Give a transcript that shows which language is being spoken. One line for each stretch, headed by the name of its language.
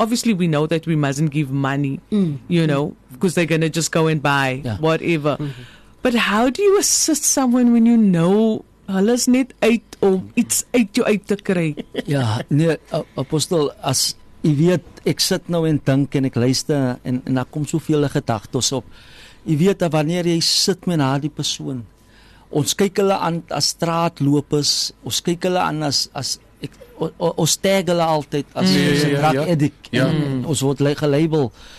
English: Obviously, we know that we mustn't give money, you know, because they're going to just go and buy whatever. Mm-hmm. But how do you assist someone when you know
Afrikaans: hulle is net uit om iets uit jou uit te kry? Ja, nee, apostel, as jy weet, ek sit nou en dink en ek luister en daar kom soveel gedagtes op. Jy weet, wanneer jy sit met na die persoon, ons kyk hulle aan as straatlopers, ons kyk hulle aan ons tag hulle altyd as drug addict, ons word gelabel.